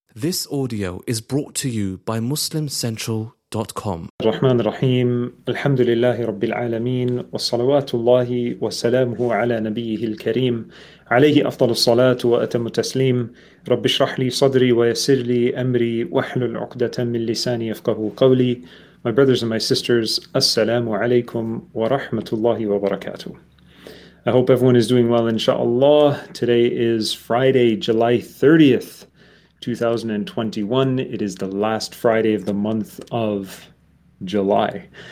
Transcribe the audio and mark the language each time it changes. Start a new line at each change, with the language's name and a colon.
English: This audio is brought to you by MuslimCentral.com.
Arabic: الرحمن الرحيم الحمد لله رب العالمين والصلوات الله وسلامه على نبيه الكريم عليه أفضل الصلاة وأتم التسليم رب اشرح لي صدري ويسر لي أمري واحلل عقدة من لساني يفقه قولي.
English: My brothers and my sisters, السلام عليكم ورحمة الله وبركاته. I hope everyone is doing well, inshallah. Today is Friday, July 30th, 2021. It is the last Friday of the month of July.